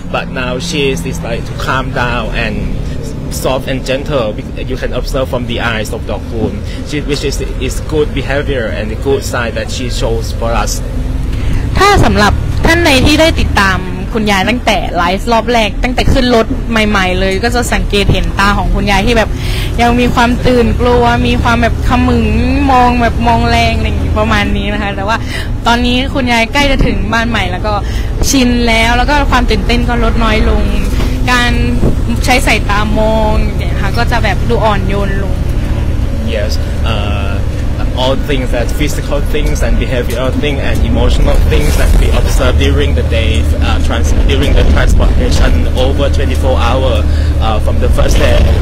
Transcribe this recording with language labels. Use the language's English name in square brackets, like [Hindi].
[English] But now she is like to calm down and. Soft and gentle, you can observe from the eyes of dog food, which is good behavior and a good sign that she shows for us. [Thai] ถ้าสำหรับท่านในที่ได้ติดตามคุณยายตั้งแต่ไลฟ์รอบแรกตั้งแต่ขึ้นรถใหม่ๆเลยก็จะสังเกตเห็นตาของคุณยายที่แบบยังมีความตื่นกลัวมีความแบบขมึงมองแบบมองแรงอะไรอย่างนี้ประมาณนี้นะคะแต่ว่าตอนนี้คุณยายใกล้จะถึงบ้านใหม่แล้วก็ชินแล้วก็ความตื่นเต้นก็ลดน้อยลงการใช้สายตามองเนี่ยค่ะก็จะแบบดูอ่อนโยนลง [English] Yes all things that physical things and behavioral things and emotional things that we observe during the day during the transportation over 24 hours from the first day